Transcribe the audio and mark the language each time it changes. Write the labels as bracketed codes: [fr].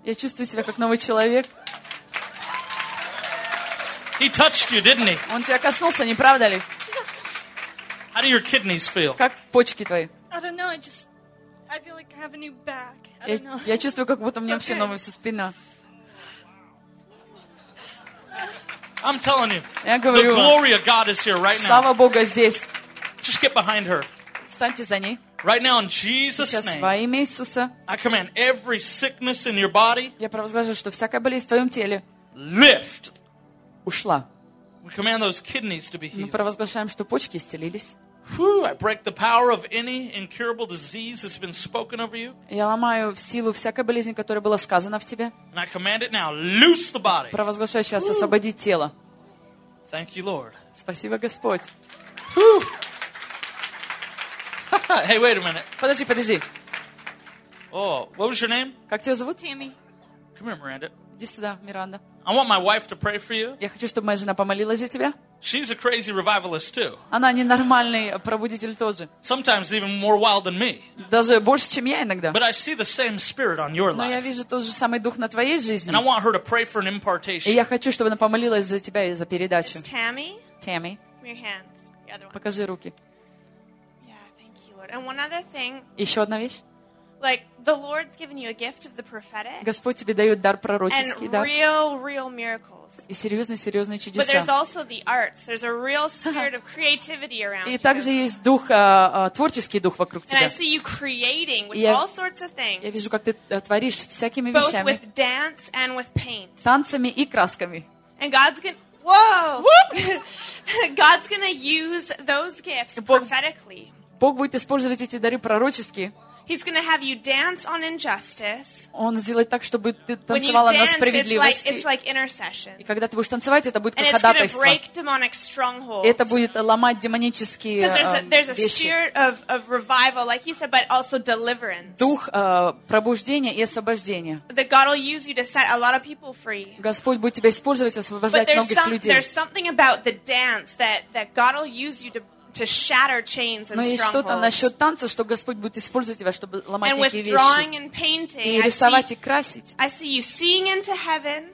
[ru] Я чувствую себя как новый человек. [en] He touched you, didn't he? [ru] Он тебя коснулся, не правда ли? [en] How do your kidneys feel? [ru] Как почки твои? [en] I don't know. I feel like I have a new back. [ru] Я чувствую, как будто у меня вообще новая вся спина. [en] I'm telling you. [ru] Я говорю. [en] The glory of God is here right now. [ru] Слава Богу здесь. [en] Just get behind her. [ru] Встаньте за ней. [en] Right now in Jesus' name. [ru] Сейчас во имя Иисуса. [en] I command every sickness in your body. [ru] Я провозглашаю, что всякая болезнь в твоем теле. [en] Lift. [ru] Ушла. [en] We command those kidneys to be healed. [ru] Мы провозглашаем, что почки исцелились. [en] Whew, I break the power of any incurable disease that's been spoken over you. [ru] Я ломаю в силу всякой болезни, которая была сказана в тебе. [en] And I command it now. Loose the body. [ru] Провозглашаю сейчас, освободи тело. [en] Thank you, Lord. [ru] Спасибо, Господь. Whew. [en] Hey, wait a minute. [ru] Подожди, подожди. [en] Oh, what was your name? [ru] Как тебя зовут? [en] Tammy. Come here, Miranda. [ru] Иди сюда, Миранда. [en] I want my wife to pray for you. [ru] Я хочу, чтобы моя жена помолилась за тебя. [en] She's a crazy revivalist too. [ru] Она ненормальный пробудитель тоже. [en] Sometimes even more wild than me. [ru] Даже больше, чем я иногда. [en] But I see the same spirit on your life. [ru] Но я вижу тот же самый дух на твоей жизни. [en] And I want her to pray for an impartation. [ru] И я хочу, чтобы она помолилась за тебя и за передачу. [en] It's Tammy. Tammy. Give your hands. The other one. [ru] Покажи руки. [en] And one other thing. [ru] Еще одна вещь. [en] Like the Lord's given you a gift of the prophetic. [ru] Господь тебе дает дар пророческий, да. [en] And real miracles. [ru] И серьезные чудеса. [en] But there's also the arts. There's a real spirit of creativity around. [ru] И также есть дух творческий дух вокруг тебя. [en] And I see you creating with all sorts of things. [ru] Я вижу, как ты творишь всякими вещами. [en] Both with dance and with paint. [ru] Танцами и красками. [en] And God's gonna. Whoa. God's gonna use those gifts prophetically. [ru] Бог будет использовать эти дары пророчески. [en] He's gonna have you dance on injustice. [ru] Он сделает так, чтобы ты танцевала [en] dance, [ru] на справедливости. [en] It's like intercession. [ru] И когда ты будешь танцевать, это будет как [en] and [ru] ходатайство. [en] It's gonna break demonic strongholds. [ru] И это будет ломать демонические вещи. [en] Of revival, like he said, but also deliverance. [ru] Дух пробуждения и освобождения. [en] That God will use you to set a lot of people free. [ru] Господь будет тебя использовать, освобождать многих людей. [en] There's something about the dance that God will use you to to shatter chains and strongholds. [ru] Но есть что-то насчет танца, что Господь будет использовать тебя, чтобы ломать такие вещи. [en] And with drawing and painting, [ru] и рисовать, и красить. [en] I see you seeing into heaven.